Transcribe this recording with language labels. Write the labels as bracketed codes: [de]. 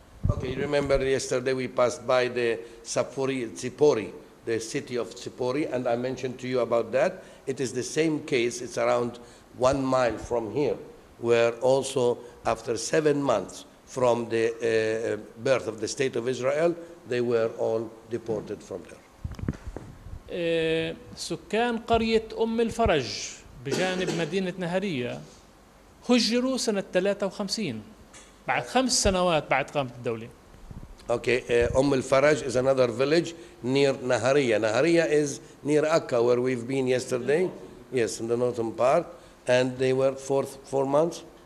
[en] Okay, you remember yesterday we passed by the Tzipori, the city of Tzipori, and I mentioned to you about that. It is the same case, it's around 1 mile from here, where also after 7 months from the birth of the State of Israel, they were all deported from there. [ar] سكان قرية أم الفرج بجانب مدينة نهرية هجروا سنة 53. بعد 5 سنوات بعد قامة الدولة. [en] Okay, الفرج is another village near Nahariya. Nahariya is near Akka where we've been yesterday. Yes, in the northern part. And they were four months.